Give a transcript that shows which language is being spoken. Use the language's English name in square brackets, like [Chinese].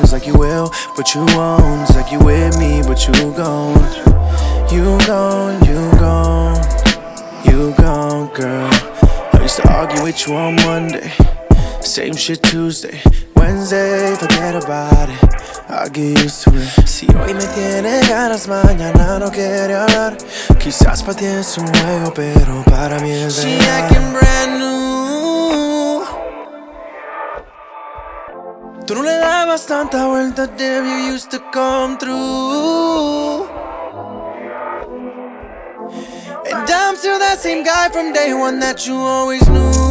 [English] It's like you will, but you won't. It's like you with me, but you gone. You gone, you gone. You gone, girl. I used to argue with you on Monday. Same shit Tuesday, Wednesday, forget about it, I'll get used to it. [Spanish] Si hoy me tiene ganas, mañana no quiere hablar. Quizás para ti es un juego, pero para mí es [English] real. She acting brand new. [Spanish] Tú no le dabas tanta vuelta, [English] damn, you used to come through. And I'm still that same guy from day one that you always knew.